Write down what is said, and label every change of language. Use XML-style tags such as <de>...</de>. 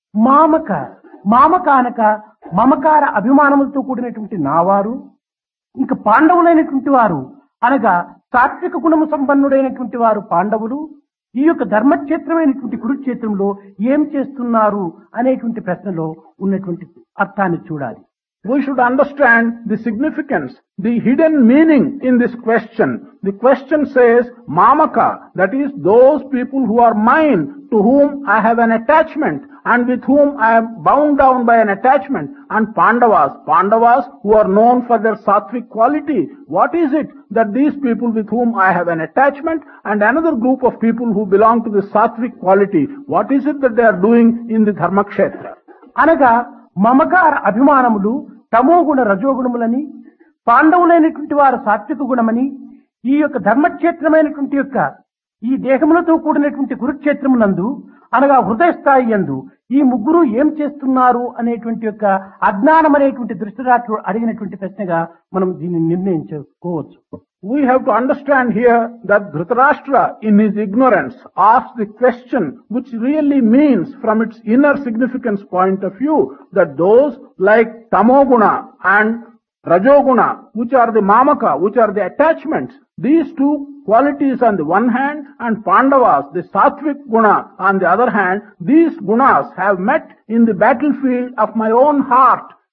<te>మామక, మామక అనక మమకార అభిమానములతో కూడినటువంటి నావారు, ఇంకా పాండవులైనటువంటి వారు అనగా సాత్విక గుణము సంపన్నుడైనటువంటి వారు పాండవులు ఈ యొక్క ధర్మక్షేత్రమైనటువంటి కురుక్షేత్రంలో ఏం చేస్తున్నారు అనేటువంటి ప్రశ్నలో ఉన్నటువంటి అర్థాన్ని చూడాలి.</te> <en>We should understand the significance, the hidden meaning in this question. The question says, Mamaka, that is those people who are mine, to whom I have an attachment and with whom I am bound down by an attachment, and Pandavas, Pandavas who are known for their sattvic quality. What is it that these people with whom I have an attachment and another group of people who belong to the sattvic quality, what is it that they are doing in the Dharmakshetra?</en> <te>Anaga, మమకార అభిమానములు తమోగుణ రజోగుణములని పాండవులైనటువంటి వారు సాత్విక గుణమని, ఈ యొక్క ధర్మక్షేత్రమైనటువంటి యొక్క ఈ దేహములతో కూడినటువంటి కురుక్షేత్రమునందు అనగా హృదయ స్థాయి యందు ఈ ముగ్గురు ఏం చేస్తున్నారు అనేటువంటి యొక్క అజ్ఞానం అనేటువంటి దృష్టి రాత్రి అడిగినటువంటి ప్రశ్నగా మనం దీన్ని నిర్ణయించుకోవచ్చు. We have to understand here that Dhritarashtra in his ignorance asks the question which really means from its inner significance point of view that those like Tamoguna and Rajoguna which are the Mamaka, which are the attachments, these two qualities on the one hand and Pandavas, the Sattvic Guna on the other hand, these Gunas have met in the battlefield of my own heart.</te>